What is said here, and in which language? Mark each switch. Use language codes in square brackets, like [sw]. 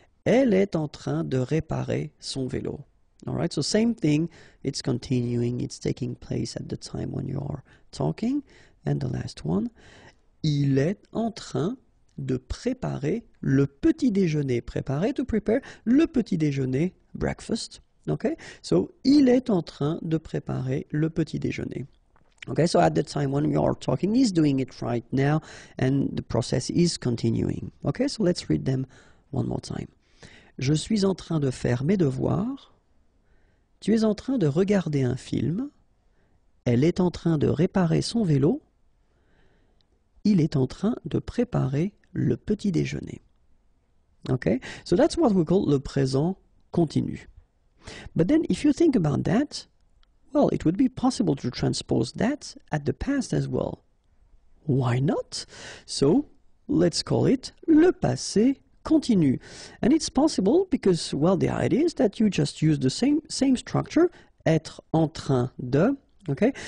[fr] Elle est en train de réparer son vélo. [en] All right, so same thing, it's continuing, it's taking place at the time when you are talking. And the last one, [fr] il est en train de préparer le petit déjeuner. Préparer, [en] to prepare, [fr] le petit déjeuner, breakfast. [en] Okay, so [fr] il est en train de préparer le petit déjeuner. [en] Okay, so at the time when we are talking, he's doing it right now, and the process is continuing. Okay, so let's read them one more time. [fr] Je suis en train de faire mes devoirs. Tu es en train de regarder un film. Elle est en train de réparer son vélo. Il est en train de préparer le petit déjeuner. [en] Okay, so that's what we call le présent continu. But then, if you think about that, well, it would be possible to transpose that at the past as well. Why not? So, let's call it le passé continu. And it's possible because, well, the idea is that you just use the same structure, être en train de, okay?